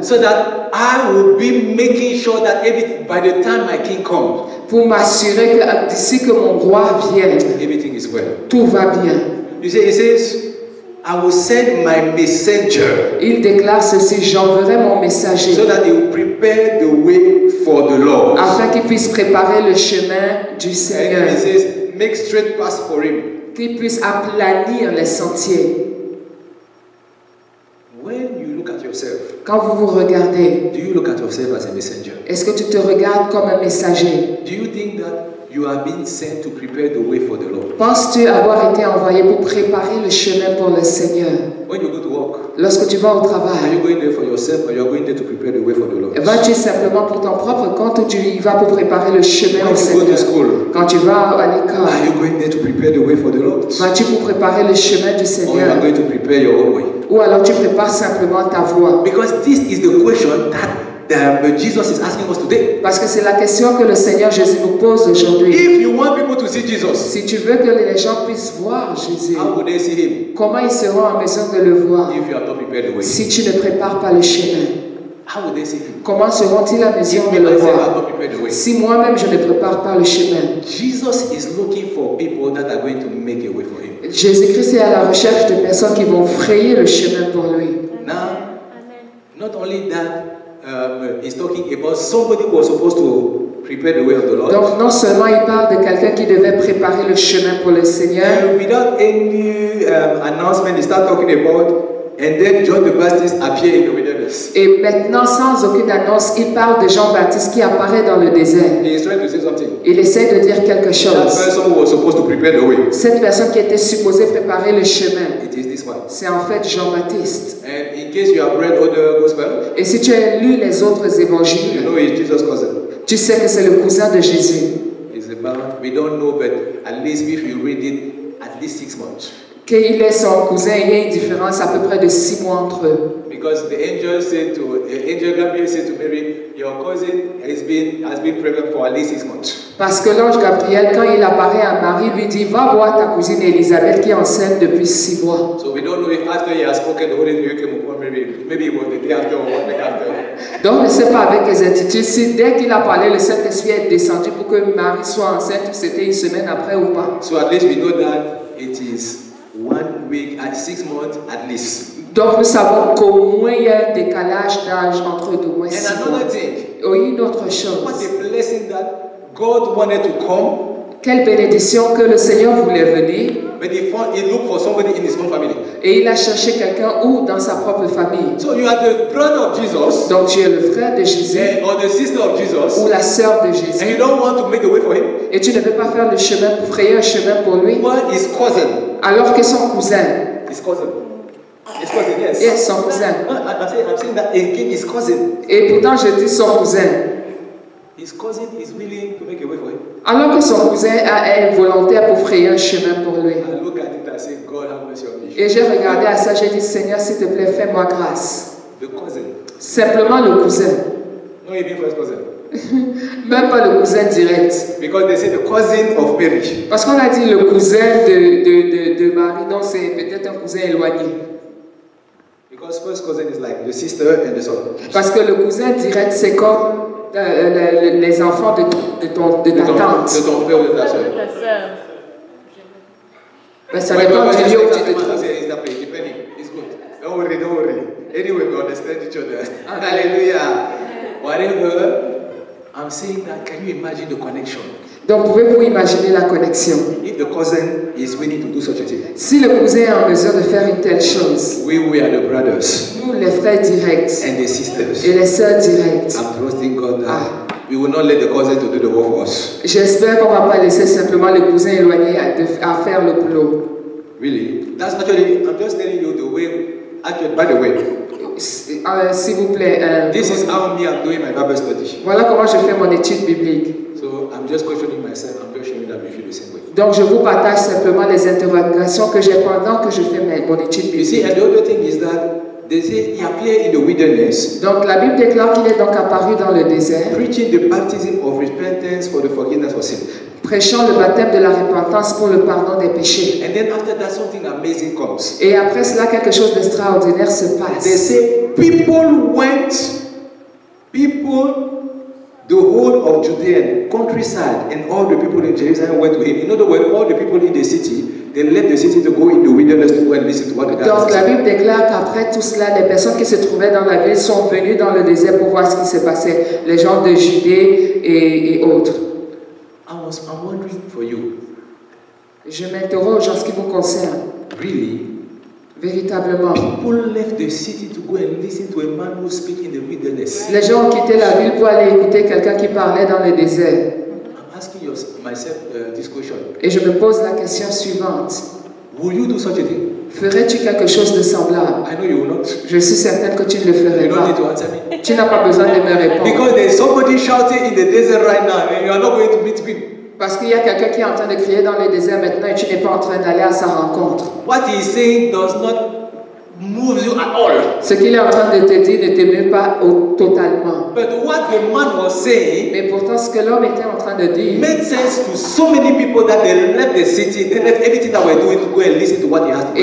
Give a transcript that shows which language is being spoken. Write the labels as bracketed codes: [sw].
[en] So that I will be making sure that everything by the time my king comes. [fr] Pour m'assurer que d'ici que mon roi vienne, [en] everything is well. [fr] Tout va bien. [en] You see, he says, I will send my messenger. [fr] Il déclare ceci, j'enverrai mon messager. [en] So that he will prepare the way for the Lord. [fr] Afin qu'il puisse préparer le chemin du Seigneur. [en] And he says, make straight paths for him. [fr] Qu'il puisse aplanir les sentiers. [en] When you look at yourself, [fr] quand vous vous regardez, [en] do you look at yourself as a messenger? [fr] Est-ce que tu te regardes comme un messager? [en] Do you think that you have been sent to prepare the way for the Lord? [fr] Penses-tu avoir été envoyé pour préparer le chemin pour le Seigneur? [en] When you go to work, [fr] lorsque tu vas au travail, [en] are you going there for yourself or are you going there to prepare the way for the Lord? [fr] Vas-tu simplement pour ton propre compte ou tu y vas pour préparer le chemin au Seigneur? [en] When you go to school, [fr] quand tu vas à l'école, [en] are you going there to prepare the way for the Lord? [fr] Vas-tu pour préparer le chemin du Seigneur? [en] Or are you going to prepare your own way? [fr] Ou alors tu prépares simplement ta voie? [en] Because this is the question that Jesus is asking us today. [fr] Parce que c'est la question que le Seigneur Jésus nous pose aujourd'hui. [en] If you want people to see Jesus, [fr] si tu veux que les gens puissent voir Jésus, [en] how would they see him? [fr] Comment ils seront en mesure de le voir? [en] If you have not prepared the way. [fr] Si tu ne prépares pas le chemin, [en] how would they see him? [fr] Comment seront-ils en mesure de le voir? Si moi-même je ne prépare pas le chemin, [en] Jesus is looking for people that are going to make a way for him. [fr] Jésus-Christ est à la recherche de personnes qui vont frayer le chemin pour lui. [en] Now, not only that, he's talking about somebody who was supposed to prepare the way of the Lord. [fr] Donc, non seulement il parle de quelqu'un qui devait préparer le chemin pour le Seigneur. [en] Without any announcement, he starts talking about, and then John the Baptist appeared in the wilderness. [fr] Et maintenant, sans aucune annonce, il parle de Jean-Baptiste qui apparaît dans le désert. [en] He is trying to say something. [fr] Il essaie de dire quelque chose. [en] That person who was supposed to prepare the way. [fr] Cette personne qui était supposée préparer le chemin. [en] It is this one. [fr] C'est en fait Jean-Baptiste. [en] And in case you have read other gospels. [fr] Et si tu as lu les autres évangiles. [en] You know, he's Jesus' cousin. [fr] Tu sais que c'est le cousin de Jésus. [en] It's about, we don't know, but at least if you read it, at least 6 months. [fr] Qu'il est son cousin, il y a une différence à peu près de 6 mois entre eux. [en] Because the angel said to angel Gabriel said to Mary, your cousin has been pregnant for at least 6 months. [fr] Parce que l'ange Gabriel, quand il apparaît à Marie, lui dit, va voir ta cousine Élisabeth qui est enceinte depuis 6 mois. [en] So we don't know if after he has spoken the Holy Spirit came upon Mary, maybe it was the day after or one day after. [fr] Donc, ne sais pas avec exactitude si dès qu'il a parlé, le Saint-Esprit est descendu pour que Marie soit enceinte, c'était une semaine après ou pas. [en] So at least we know that it is 1 week and 6 months at least. [fr] Donc, nous savons qu'au moins il y a un décalage d'âge entre deux mois. [en] And another thing. [fr] Oh, une autre chose. [en] What a blessing that God wanted to come. [fr] Quelle bénédiction que le Seigneur voulait venir. [en] But he looked for somebody in his own family. [fr] Et il a cherché quelqu'un où dans sa propre famille. [en] So you are the brother of Jesus. [fr] Donc tu es le frère de Jésus. [en] And, or the sister of Jesus. [fr] Ou la sœur de Jésus. [en] And you don't want to make the way for him. [fr] Et tu ne veux pas faire le chemin pour frayer un chemin pour lui. [en] What is cousin? [fr] Alors que son cousin. [en] His cousin. His cousin, yes. Yes, [fr] son cousin. [en] I'm saying that again, his cousin. [fr] Et pourtant je dis son cousin. [en] His cousin is willing to make a way for him. [fr] Alors que son cousin est volontaire pour frayer un chemin pour lui. [en] I look at it and say, God, have mercy on me. [fr] Et j'ai regardé à ça, j'ai dit, Seigneur, s'il te plaît, fais-moi grâce. [en] The cousin. [fr] Simplement le cousin. Non, il vient pour [en] his cousin. [fr] Même pas le cousin direct. [en] Because they say the cousin of Mary. [fr] Parce qu'on a dit le cousin de Marie, donc c'est peut-être un cousin éloigné. [en] Because first cousin is like the sister and the son. [fr] Parce que le cousin direct, c'est comme les enfants de ta tante. De ton frère ou de ta soeur. Ben, ça dépend du lieu où tu te trouves. [en] It's depending. It's good. Don't worry. Anyway, we understand each other. Hallelujah. Whatever. I'm saying that. Can you imagine the connection? [fr] Donc, pouvez-vous imaginer la connexion? [en] If the cousin is willing to do such a thing, [fr] si le cousin est en mesure de faire une telle chose, [en] we are the brothers. [fr] Nous, les frères directs, [en] and the sisters, [fr] et les sœurs directes. [en] I'm trusting God that we will not let the cousin to do the work for us. [fr] J'espère qu'on ne va pas laisser simplement le cousin éloigné à faire le boulot. [en] Really? That's actually. I'm just telling you the way. Actually, by the way. [fr] S'il vous plaît. [en] This is how me I'm doing my Bible study. [fr] Voilà comment je fais mon étude biblique. [en] So I'm just questioning myself. I'm just sharing that with you the same way. [fr] Donc je vous partage simplement les interrogations que j'ai pendant que je fais mon étude biblique. [en] You see, and the other thing is that they say he appeared in the wilderness. [fr] Donc la Bible déclare qu'il est donc apparu dans le désert. [en] Preaching the baptism of repentance for the forgiveness of sins. [fr] Prêchant le baptême de la repentance pour le pardon des péchés. [en] And then after that, something amazing comes. [fr] Et après cela, quelque chose d'extraordinaire se passe. [en] They say, people, the whole of Judea, countryside, and all the people in Jerusalem went to him. In other words, all the people in the city, they left the city to go in the wilderness to go and listen to what God said. [fr] Donc la Bible déclare qu'après tout cela, les personnes qui se trouvaient dans la ville sont venues dans le désert pour voir ce qui se passait. Les gens de Judée et autres. [en] I'm wondering for you. [fr] Je m'interroge en ce qui vous concerne. [en] Really? [fr] Véritablement. [en] People left the city to go and listen to a man who speak in the wilderness. [fr] Les gens ont quitté la ville pour aller écouter quelqu'un qui parlait dans le désert. [en] I'm asking myself this question. [fr] Et je me pose la question suivante. [en] Would you do such a thing? [fr] Ferais-tu quelque chose de semblable? [en] I know you will not. [fr] Je suis certaine que tu ne le ferais [en] you [fr] pas. [en] Need to answer me. [fr] Tu n'as pas besoin de me répondre. [en] Because there's somebody shouting in the desert right now, and you are not going to meet him. [fr] Parce qu'il y a quelqu'un qui est en train de crier dans le désert maintenant et tu n'es pas en train d'aller à sa rencontre. [en] What he's saying does not move you at all. [fr] Ce qu'il est en train de te dire ne t'émeut pas totalement. [en] But what the man was saying. [fr] Mais pourtant ce que l'homme était en train de dire. [en] Made sense to so many people that they left the city, they left everything that were doing to go and listen to what he had to say.